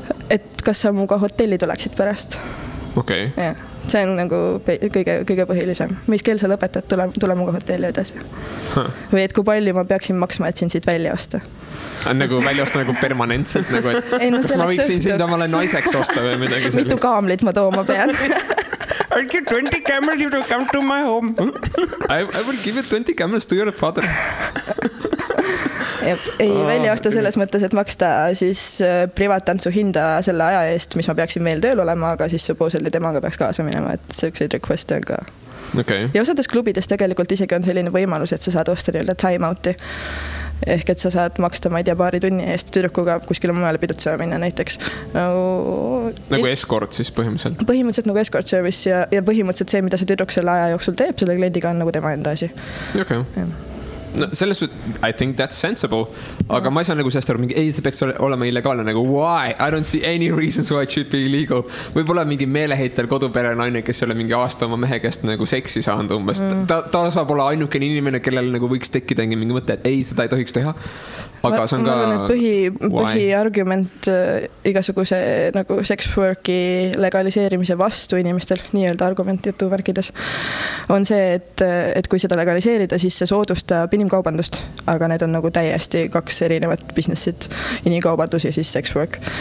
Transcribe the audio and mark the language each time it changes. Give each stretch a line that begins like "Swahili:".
Estonian: Et kas sa muga hotelli tuleksid pärast? Okei. Okay. Jah. See on nagu kõige põhilisem. Mis keel sa lõpetad, tule muga hotelli edasi. Huh. Või et kui palju ma peaksin maksma, et siin siit välja osta? Nagu välja osta nagu permanentselt? Nagu, et ei, no, kas ma võiksin siin omale naiseks osta või midagi sellist? Mitu kaamlit ma tooma pean?
English: I'll give 20 camels if you come to my home. I will give you 20 camels to your father.
Estonian: Jep. Ei välja osta selles mõttes, et maksta siis privaattantsu hinda selle aja eest, mis ma peaksin meil tööl olema, aga siis supposedly temaga peaks kaasa minema, et see üks ei requesta ka. Okay. Ja osades klubides tegelikult isegi on selline võimalus, et sa saad osta nii-öelda timeouti. Ehk et sa saad maksta, ma ei tea, paari tunni eest tüdrukuga kuskil mõjale pidutsema minna näiteks. Nagu escort siis põhimõtteliselt? Põhimõtteliselt nagu escort service ja põhimõtteliselt see, mida see tüdruk selle aja jooksul teeb, selle kliendiga on nagu tema enda asi. Okay. No, selles
English: I think that's sensible,
Estonian: aga ma ei saa nagu sest aru, mingi, ei, see peaks olema illegaalne, nagu why?
English: I don't see any reasons why it should be illegal.
Estonian: Võib-olla mingi meeleheitel kodupere naine, kes ei ole mingi aasta oma mehe käest nagu seksi saanud umbes. Ta saab olla ainuke inimene, kellel nagu võiks tekida mingi mõte, et ei, seda ei tohiks teha. Aga see on ka... Ma arvan, et põhi argument igasuguse nagu sex worki legaliseerimise vastu inimestel, nii öelda argument jutuvärkides, on see, et kui seda legaliseerida, siis see soodustab inimkaubandust, aga need on nagu täiesti kaks erinevat businessit, inimkaubandus ja siis sex work.